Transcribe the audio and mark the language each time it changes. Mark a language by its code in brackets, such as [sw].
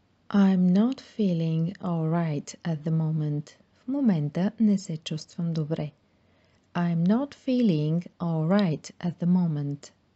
[en] I'm not feeling all right at the moment. [bg] В момента не се чувствам добре. [en] I'm not feeling all right at the moment.